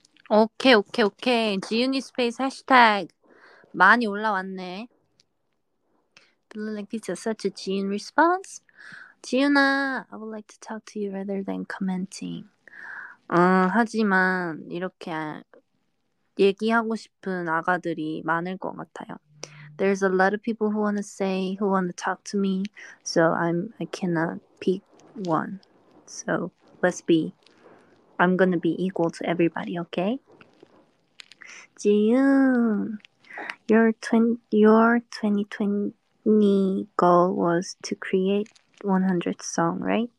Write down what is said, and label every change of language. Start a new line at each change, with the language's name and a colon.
Korean: 오케이. 지윤이 스페이스 해시태그 많이 올라왔네.
English: Like pizza, such a 지윤 response. 지윤아, I would like to talk to you rather than commenting.
Korean: 하지만 이렇게 얘기하고 싶은 아가들이 많을 것 같아요.
English: There's a lot of people who want to say, who want to talk to me, so I cannot pick one. So let's be. I'm gonna be equal to everybody, okay? 지윤, your 2020 goal was to create 100 song, right?